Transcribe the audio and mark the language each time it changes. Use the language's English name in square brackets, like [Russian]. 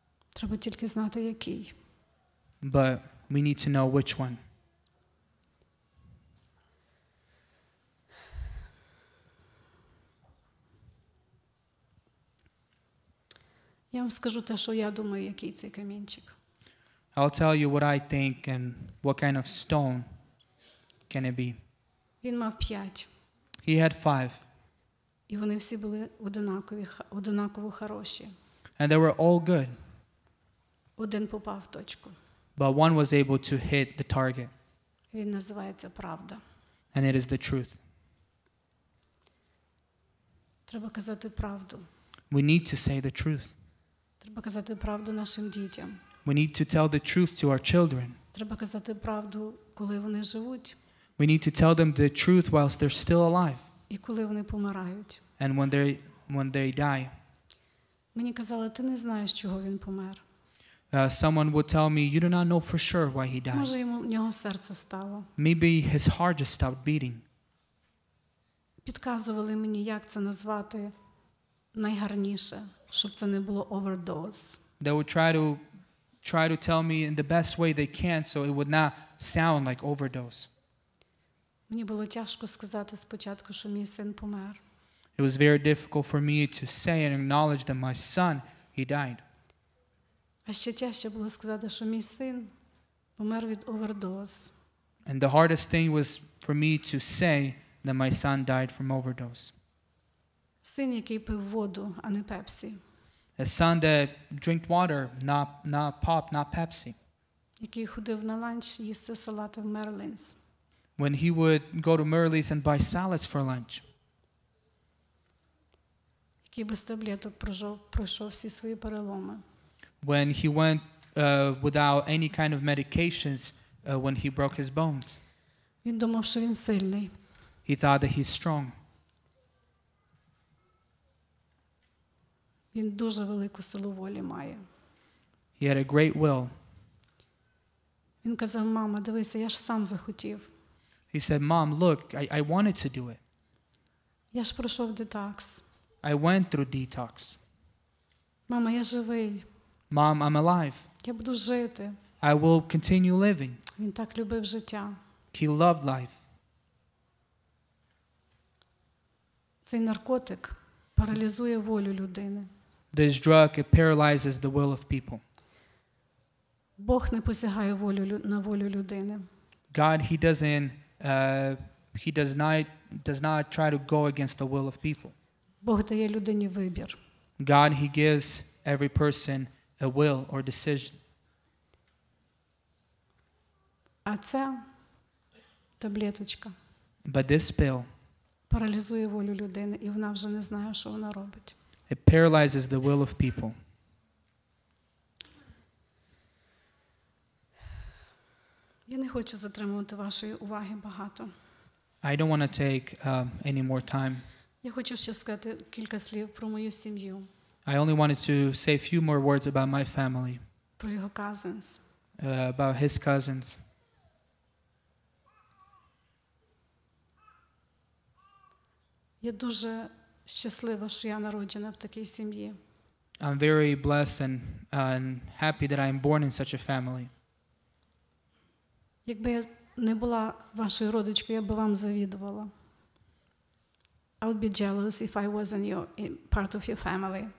[Ukrainian] Треба тільки знати, який. [English] But we need to know which one. [Ukrainian] Я вам скажу те, що я думаю, який цей камінчик. [English] I'll tell you what I think and what kind of stone can it be. [Ukrainian] Він мав 5. [English] He had 5. [Ukrainian] І вони всі були однаково хороші. [English] And they were all good. [Ukrainian] Один попав в точку. [English] But one was able to hit the target. [Ukrainian] Він називається правда. [English] And it is the truth. [Ukrainian] Треба казати правду. [English] We need to say the truth. [Ukrainian] Треба казати правду нашим дітям. [English] We need to tell the truth to our children. [Ukrainian] Треба казати правду, коли вони живуть. [English] We need to tell them the truth whilst they're still alive. [Ukrainian] І коли вони помирають. [English] And when they die. [Ukrainian] Мені казали, ти не знаєш, чого він помер. [English] Someone would tell me, you do not know for sure why he died. [Ukrainian] Може, йому, в нього серце стало. [English] Maybe his heart just stopped beating. [Ukrainian] Підказували мені, як це назвати найгарніше, щоб це не було overdose. [English] They would try to tell me in the best way they can so it would not sound like overdose. [Ukrainian] Мені було тяжко сказати спочатку, що мій син помер. [English] It was very difficult for me to say and acknowledge that my son, he died. [Ukrainian] А ще тяжче було сказати, що мій син помер від overdose. [English] And the hardest thing was for me to say that my son died from overdose. [Ukrainian] Син, який пив воду, а не Pepsi. [English] A son that drank water, not pop, not Pepsi. [Ukrainian] Який ходив на ланч їсти салати в Merlin's. [English] When he would go to Merlin's and buy salads for lunch. [Ukrainian] Який без таблеток пройшов всі свої переломи. [English] When he went without any kind of medications when he broke his bones. [Ukrainian] Він думав, що він сильний. [English] He thought that he's strong. [Ukrainian] Він дуже велику силу волі має. [English] He had a great will. [Ukrainian] Він казав, мама, дивися, я ж сам захотів. [English] He said, mom, look, I wanted to do it. [Ukrainian] Я ж пройшов детокс. [English] I went through detox. [Ukrainian] Мама, я живий. [English] Mom, I'm alive. [Ukrainian] Я буду жити. [English] I will continue living. [Ukrainian] Він так любив життя. [English] He loved life. [Ukrainian] Цей наркотик паралізує волю людини. [English] This drug, it paralyzes the will of people. [Ukrainian] Бог не посягає волю на волю людини. [English] God, he does not try to go against the will of people. [Ukrainian] Бог дає людині вибір. [English] God, he gives every person a will or decision. [Ukrainian] А це таблеточка. [English] But this pill [Ukrainian] паралізує волю людини, і вона вже не знає, що вона робить. [English] It paralyzes the will of people. [Ukrainian] Я не хочу затримувати вашої уваги багато. [English] I don't want to take any more time. [Ukrainian] Я хочу ще сказати кілька слів про мою сім'ю. [English] I only wanted to say a few more words about my family. [Ukrainian] Про його cousins. [English] About his cousins. [Ukrainian] Я дуже щаслива, що я народжена в такій сім'ї. [English] I'm very blessed and happy that I'm born in such a family. [Ukrainian] Якби я не була вашою родичкою, я би вам завідувала. [English] I would be jealous if I wasn't part of your family.